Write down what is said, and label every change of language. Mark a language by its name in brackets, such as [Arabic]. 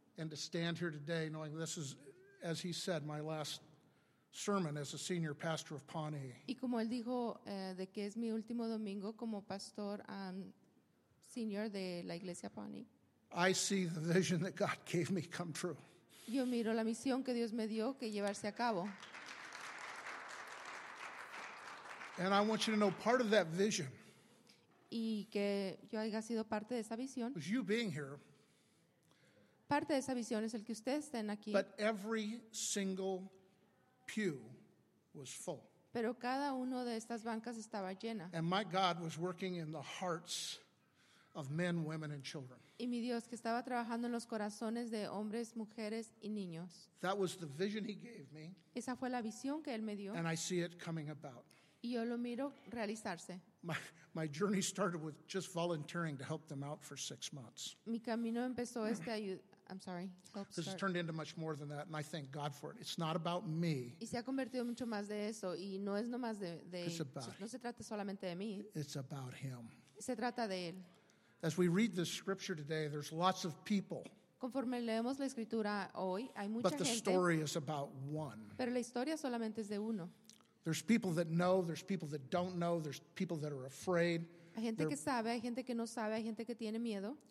[English] And to stand here today knowing this is, as he said, my last sermon as a senior pastor of Pawnee. [Spanish] Y como él dijo, de que es mi último domingo como pastor senior de la iglesia Pawnee. [English] I see the vision that God gave me come true. [Spanish] Yo miro la misión que Dios me dio que llevarse a cabo. [English] And I want you to know part of that vision. [Spanish] Y que yo haya sido parte de esa visión. [English] Was you being here. [Spanish] Parte de esa visión es el que ustedes estén aquí. [English] But every single pew was full. [Spanish] Pero cada uno de estas bancas estaba llena. [English] And my God was working in the hearts of men, women, and children. [Spanish] Y mi Dios que estaba trabajando en los corazones de hombres, mujeres y niños. [English] That was the vision he gave me. [Spanish] Esa fue la visión que él me dio. [English] And I see it coming about. [Spanish] Y yo lo miro realizarse. [English] My journey started with just volunteering to help them out for 6 months. [Spanish] Mi camino empezó [English] I'm sorry. Help this start. Has turned into much more than that, and I thank God for it. It's not about me. [Spanish] Y se ha convertido mucho más de eso, y no es nomás de [English] it's about [Spanish] no se trata solamente de mí. [English] It's about him. [Spanish] Se trata de él. [English] As we read this scripture today, there's lots of people. [Spanish] Conforme leemos la escritura hoy, hay mucha [English] but the [Spanish] gente, [English] story is about one. [Spanish] Pero la historia solamente es de uno. [English] There's people that know, there's people that don't know, there's people that are afraid. [Spanish] Hay gente que sabe, hay gente que no sabe, hay gente que tiene miedo.